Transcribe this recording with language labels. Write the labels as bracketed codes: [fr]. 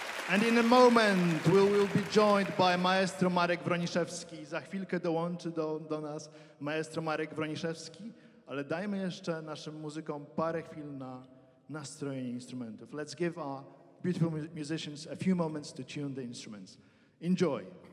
[en] And in a moment, we will be joined by Maestro Marek Wroniszewski. [pl] Za chwilkę dołączy do nas Maestro Marek Wroniszewski, ale dajmy jeszcze naszym muzykom parę chwil na nastrojenie instrumentów. [en] Let's give our beautiful musicians a few moments to tune the instruments. Enjoy.